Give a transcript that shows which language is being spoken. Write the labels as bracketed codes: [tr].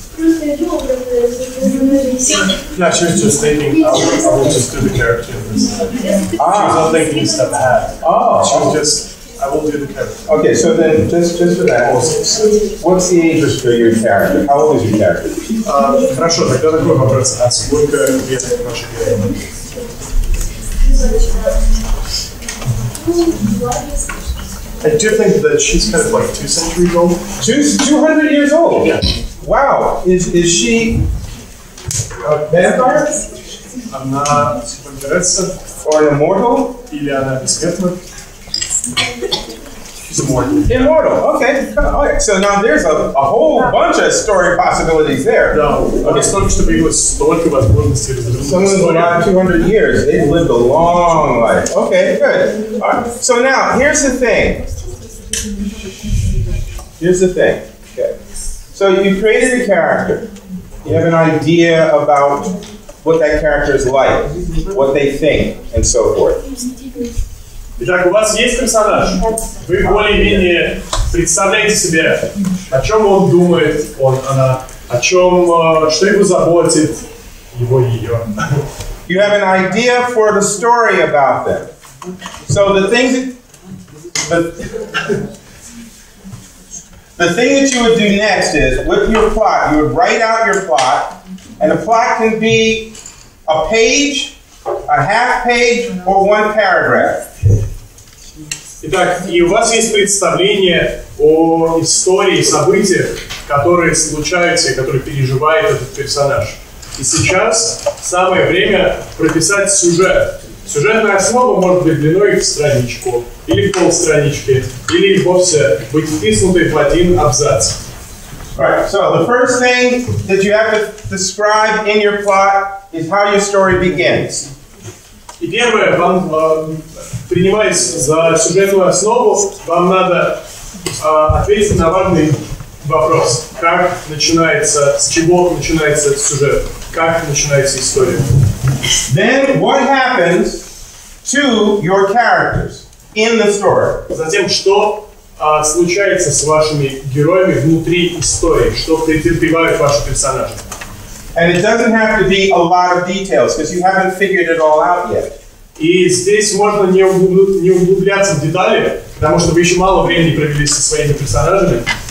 [en] No, she was just thinking, I will just do the character in this. She was not thinking step ahead. Oh. She was just, I will do the character. Okay, so then, just for that, what's the age of your character? How old is your character? [ru] Хорошо, тогда такой вопрос. А сколько лет ваша героиня? [en] I do think that she's kind of like 2 centuries old. 200 years old? Yeah. wow, is she a vampire? [ru] Она вампиресса? [en] Or an immortal? [ru] Или она бессмертна? [en] Immortal. Okay. All right. So now there's a whole bunch of story possibilities there. No. Okay. So just to be with story about Columbus. Someone who lived 200 years. They lived a long life. Okay. Good. All right. So now here's the thing. Okay. So you created a character. You have an idea about what that character is like, what they think, and so forth. [ru] Итак, у вас есть персонаж? Вы более-менее представляете себе, о чем он думает, он, она, о чем, что его заботит, его, ее. [en] You have an idea for the story about them. So the thing that, the thing that you would do next is, with your plot, you would write out your plot, and the plot can be a page, a half page, or one paragraph. [ru] Итак, и у вас есть представление о истории, событиях, которые случаются, которые переживает этот персонаж. И сейчас самое время прописать сюжет. Сюжетная основа может быть длиной в страничку, или в полстранички, или вовсе быть вписанной в один абзац. [en] Right. So the first thing that you have to describe in your plot is how your story begins. [ru] И первое, вам, принимаясь за сюжетную основу, вам надо ответить на важный вопрос. Как начинается, с чего начинается сюжет? Как начинается история? [en] Then what happens to your characters in the story? [ru] Затем, что случается с вашими героями внутри истории? Что претерпевают ваши персонажи? [en] And it doesn't have to be a lot of details, because you haven't figured it all out yet. [ru] И здесь можно не углубляться в детали, потому что вы еще мало времени провели со своими персонажами.